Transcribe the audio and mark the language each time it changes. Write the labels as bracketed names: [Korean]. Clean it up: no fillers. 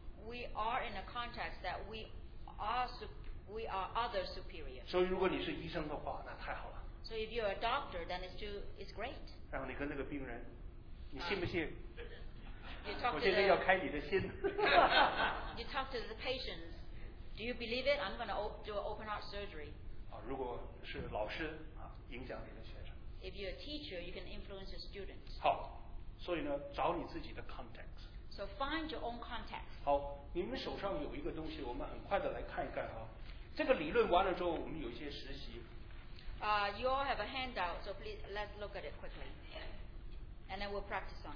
[English] We are in a context that we are other superior. [Chinese] 所以如果你是医生的话，那太好了。 [English] So if you're a doctor, then it's great. [Chinese] 然后你跟那个病人，你信不信？ [English] You talk to [Chinese] 我现在要开你的心。 [English] You talk to the patients. Do you believe it? I'm going to do an open heart surgery. [Chinese] 啊，如果是老师。影响你的学生。 [English] If you're a teacher, you can influence your students. [Chinese] 好，所以呢，找你自己的 context. [English] So find your own context. [Chinese] 好，你们手上有一个东西，我们很快的来看一看啊。这个理论完了之后，我们有一些实习。 [English] You all have a handout, so please let's look at it quickly, and then we'll practice on.